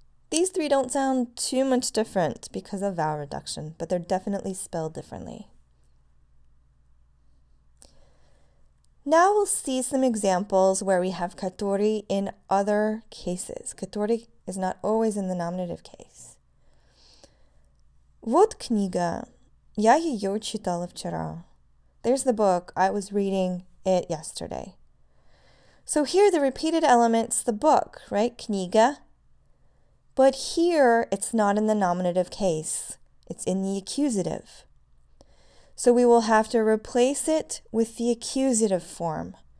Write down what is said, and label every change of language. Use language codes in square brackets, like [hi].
[en] These three don't sound too much different because of vowel reduction, but they're definitely spelled differently. Now we'll see some examples where we have katori in other cases. Katori is not always in the nominative case. [ru] Вот книга. Я ее читала вчера. [en] There's the book. I was reading it yesterday. So here the repeated element's the book, right? Kniga. But here it's not in the nominative case. It's in the accusative. So we will have to replace it with the accusative form.